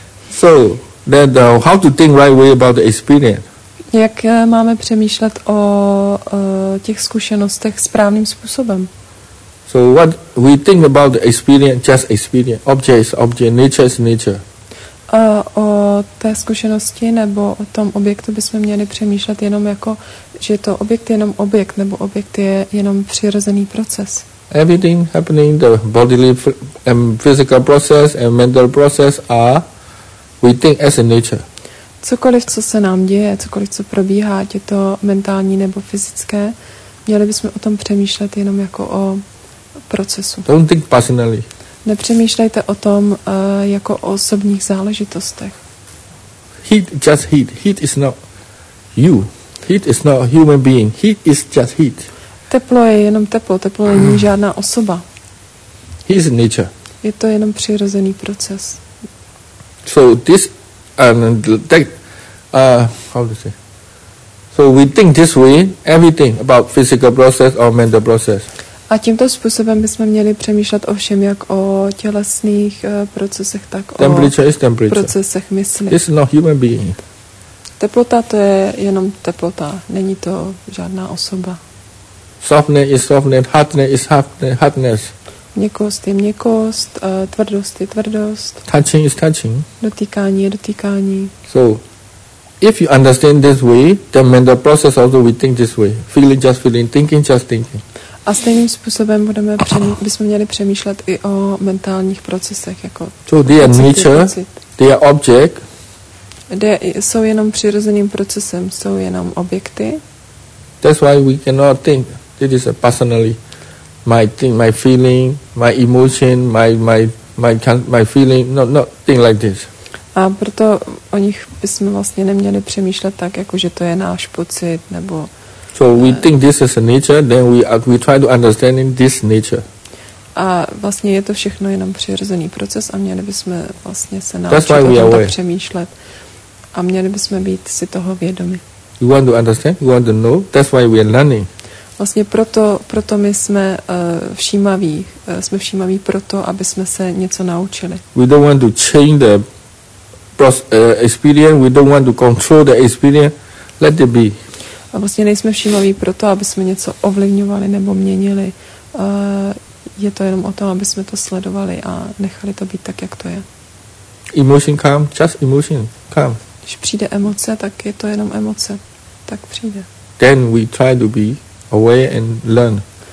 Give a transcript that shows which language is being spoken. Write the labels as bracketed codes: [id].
[en] So, then how to think right way about the experience? [cs] Jak máme přemýšlet o těch zkušenostech správným způsobem? [en] So what we think about the experience, just experience, object is object, nature is nature. [cs] O té zkušenosti nebo o tom objektu bychom měli přemýšlet jenom jako, že to objekt je jenom objekt, nebo objekt je jenom přirozený proces. [en] Everything happening, the bodily and physical process and mental process are, we think as a nature. [cs] Cokoliv, co se nám děje, cokoliv, co probíhá, ať je to mentální nebo fyzické, měli bychom o tom přemýšlet jenom jako o procesu. [en] Don't think personally. [cs] Nepřemýšlejte o tom jako o osobních záležitostech. [en] Heat, just heat. Heat is not you. Heat is not a human being. Heat is just heat. [cs] Teplo je jenom teplo. Teplo není žádná osoba. [en] He is nature. [cs] Je to jenom přirozený proces. [en] So this and that, how to say? So we think this way, everything about physical process or mental process. [cs] A tímto způsobem bychom měli přemýšlet o všem, jak o tělesných procesech, tak [en] temperature [cs] o [en] is temperature. [cs] Procesech mysli. [en] This is not human being. [cs] Teplota to je jenom teplota. Není to žádná osoba. [en] Softness is softness, hardness is hardness. [cs] Měkost je měkost, tvrdost je tvrdost. [en] Touching is touching. [cs] Dotýkání je dotýkání. [en] So, if you understand this way, then mental process also we think this way. Feeling just feeling, thinking just thinking. [cs] A stejným způsobem budeme bychom měli přemýšlet i o mentálních procesech. Jako [en] so, they are nature, they are object. [cs] Jsou jenom přirozeným procesem, jsou jenom objekty. [en] That's why we cannot think. It is a personally my thing, my feeling, my emotion, my feeling, not thing like this. [cs] A proto o nich bychom vlastně neměli přemýšlet tak, jako že to je náš pocit nebo. [en] So we think this is a nature, then we try to understand in this nature. [cs] A vlastně je to všechno jenom přirozený proces a měli bychom vlastně se naučit o tom tak přemýšlet. A měli bychom být si toho vědomi. [en] You want to understand, you want to know, that's why we are learning. [cs] Vlastně proto my jsme všímaví. Jsme všímaví proto, aby jsme se něco naučili. [en] We don't want to change the experience, we don't want to control the experience, let it be. [cs] A vlastně nejsme všímaví proto, aby jsme něco ovlivňovali nebo měnili. Je to jenom o tom, aby jsme to sledovali a nechali to být tak, jak to je. [en] Emotion come, just emotion come. [cs] Když přijde emoce, tak je to jenom emoce. Tak přijde. [en] Then we try to be aware and learn.